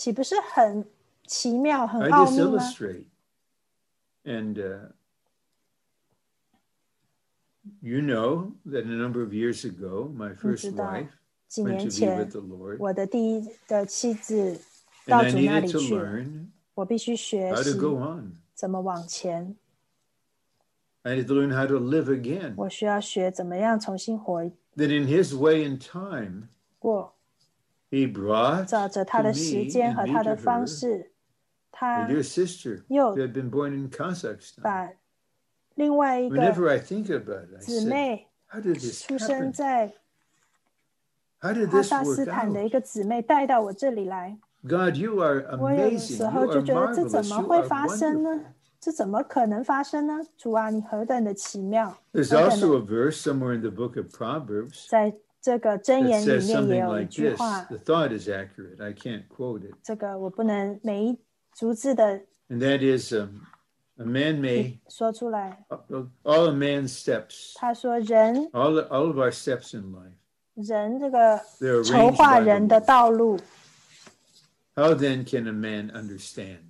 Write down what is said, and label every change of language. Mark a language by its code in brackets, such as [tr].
[zh] 有一些事情的发生，岂不是很奇妙、很奥秘吗？ [en] I just illustrate, and you know that a number of years ago, my first wife went to be with the Lord. [zh] 我的第一的妻子到主那里去。 [en] And I needed to learn [zh] 我必须学习, [en] how to go on. [zh] 怎么往前。 [en] I need to learn how to live again. [zh] 我需要学怎么样重新活。 [en] That in His way and time, He brought to me and me to her, a dear sister who had been born in Kazakhstan. Whenever I think about it, I say, how did this happen? How did this work out? God, you are amazing. You are marvelous. You are wonderful. [zh] 这怎么可能发生呢?主啊, 你何等的奇妙, [en] There's also a verse somewhere in the book of Proverbs. [zh] 这个箴言里面也有一句话, [en] the thought is accurate, I can't quote it. [zh] 这个我不能每一逐字的, [en] and that is, a man may, [zh] 说出来, [en] all a man's steps, [zh] 他说人, [en] all of our steps in life, [zh] 人这个, [en] they're arranged by the Lord. How then can a man understand